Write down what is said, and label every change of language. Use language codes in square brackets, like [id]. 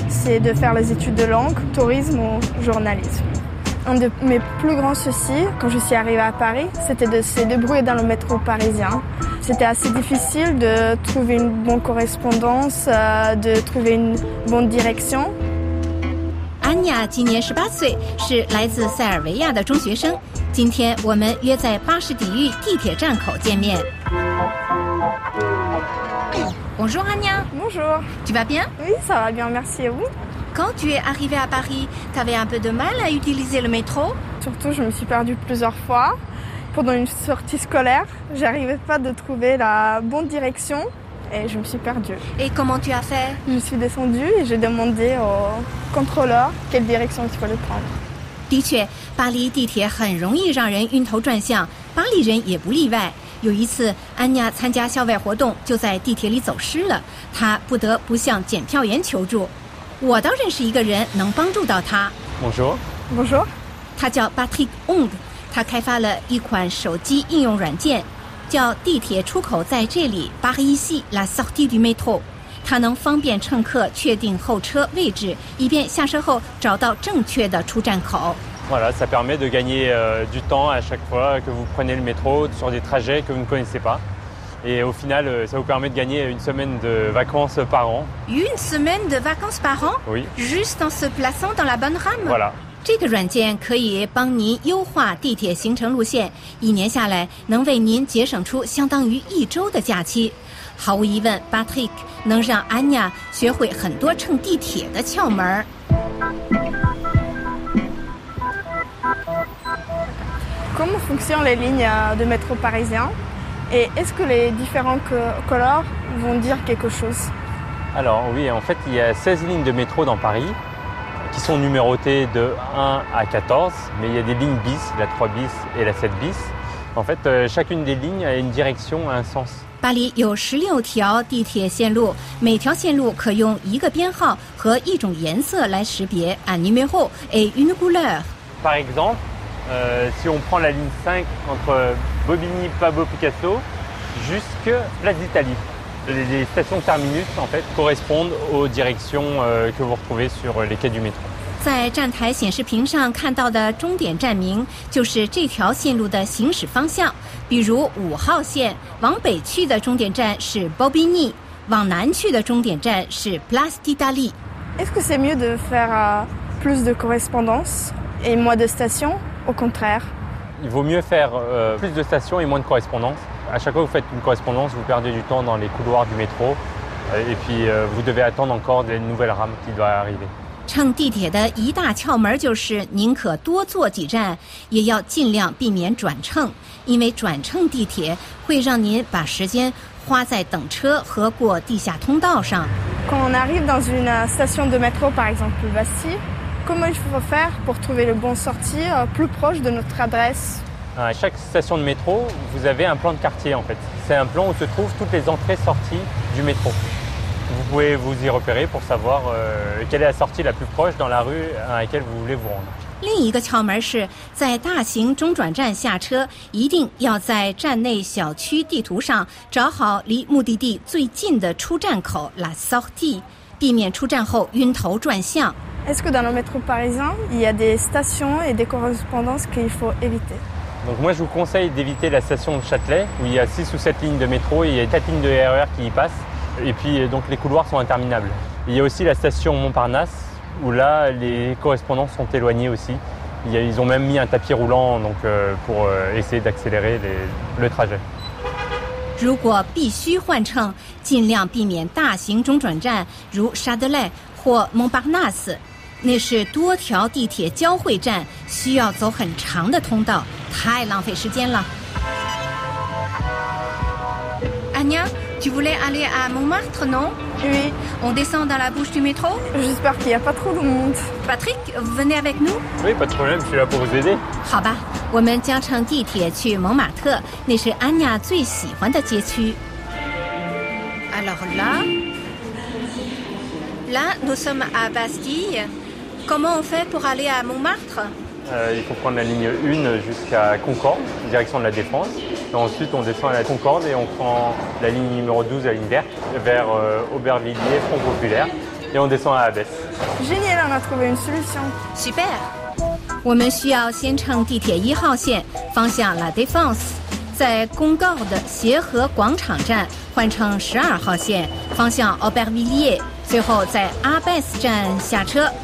[fr] c'est de faire les études de langue, tourisme ou journalisme. Un de mes plus grands soucis, quand je suis arrivée à Paris, c'était de se débrouiller dans le métro parisien. C'était assez difficile de trouver une bonne correspondance, de trouver une bonne direction. [zh] Anya, 今年十八岁，是来自塞尔维亚的中学生。今天我们约在巴士底狱地铁站口见面。 [fr] Bonjour Anya. Bonjour. Tu vas bien? Oui, ça va bien. Merci à vous. Quand tu es arrivée à Paris, tu avais un peu de mal à utiliser le métro? Surtout, je me suis perdue plusieurs fois. Pendant une sortie scolaire, je n'arrivais pas à trouver la bonne direction et je me suis perdue. Et comment tu as fait? Je suis descendue et j'ai demandé au contrôleur quelle direction il fallait prendre. [zh] 的确，巴黎地铁很容易让人晕头转向，巴黎人也不例外。有一次，安妮亚参加校外活动，就在地铁里走失了，她不得不向检票员求助。我倒认识一个人能帮助到他。 [fr] Bonjour，Bonjour。 [zh] 他叫 Patrick Ong， 他开发了一款手机应用软件，叫地铁出口在这里 Paris ici la sortie du métro。它能方便乘客确定候车位置，以便下车后找到正确的出站口。 [fr] Voilà, ça permet de gagner du temps à chaque fois que vous prenez le métro sur des trajets que vous ne connaissez pas. Et au final, ça vous permet de gagner une semaine de vacances par an. Une semaine de vacances par an? Oui. Juste en se plaçant dans la bonne rame? Voilà. [zh] 这个软件可以帮您优化地铁行程路线，一年下来能为您节省出相当于一周的假期。毫无疑问 ，Patrick 能让 Anya 学会很多乘地铁的窍门。 [fr] Comment fonctionnent les lignes de métro parisien? Et est-ce que les différents couleurs vont dire quelque chose? Alors oui, en fait, il y a 16 lignes de métro dans Paris qui sont numérotées de 1 à 14, mais il y a des lignes bis, la 3 bis et la 7 bis. En fait, chacune des lignes a une direction, un sens. [zh] 巴黎有16条地铁线路，每条线路可用一个编号和一种颜色来识别 [fr] un numéro et une couleur. Par exemple,si on prend la ligne 5 entre Bobigny, Pablo Picasso jusqu'à Place d'Italie. Les stations terminus, en fait, correspondent aux directions que vous retrouvez sur les quais du métro. [zh] 在站台显示屏上看到的终点站名就是这条线路的行驶方向。比如5号线往北去的终点站是 Bobigny, 往南去的终点站是 Place d'Italie. [fr] Est-ce que c'est mieux de faire plus de correspondance et moins de stations? Au contraire. Il vaut mieux faire plus de stations et moins de correspondances. À chaque fois que vous faites une correspondance, vous perdez du temps dans les couloirs du métro et puis vous devez attendre encore des nouvelles rames qui doivent arriver. [zh] 乘地铁的一大窍门就是宁可多坐几站，也要尽量避免转乘，因为转乘地铁会让您把时间花在等车和过地下通道上。 [fr] Quand on arrive dans une station de métro, par exemple, Vassy,Comment il faut faire pour trouver le bon sortie plus proche de notre adresse? À chaque station de métro, vous avez un plan de quartier en fait. C'est un plan où se trouvent toutes les entrées-sorties du métro. Vous pouvez vous y repérer pour savoir quelle est la sortie la plus proche dans la rue à laquelle vous voulez vous rendre. [zh] 另一个窍门是在大型中转站下车，一定要在站内小区地图上找好离目的地最近的出站口 la sortie， 避免出站后晕头转向。 [fr] Est-ce que dans le métro parisien, il y a des stations et des correspondances qu'il faut éviter? Donc moi, je vous conseille d'éviter la station de Châtelet, où il y a 6 ou 7 lignes de métro, et il y a 4 lignes de RER qui y passent, et puis donc, les couloirs sont interminables. Il y a aussi la station Montparnasse, où là, les correspondances sont éloignées aussi. Ils ont même mis un tapis roulant donc, pour essayer d'accélérer le trajet. [zh] 如果必须换乘，尽量避免大型中转站，如沙德勒或蒙巴纳斯，那是多条地铁交汇站，需要走很长的通道，太浪费时间了。 [fr] Anya, tu voulais aller à Montmartre, non? Oui. On descend dans la bouche du métro? J'espère qu'il n'y a pas trop de monde. Patrick, venez avec nous? Oui, pas de problème, je suis là pour vous aider. [zh] 好吧，我们将乘地铁去蒙马特，那是安妮亚最喜欢的街区。 [fr] Alors là? Là, nous sommes à Bastille. Comment on fait pour aller à Montmartre? Il faut prendre la ligne 1 jusqu'à Concorde, direction de la Défense. Et ensuite, on descend à la Concorde et on prend la ligne numéro 12, la ligne verte, vers Aubervilliers, Front Populaire, et on descend à Abbesse. Génial, on a trouvé une solution. Super. [zh] 我们需要先乘地铁一号线，方向La Défense， 在公告的协和广场站换乘12号线，方向Aubervilliers， 最后在Abbesse站下车。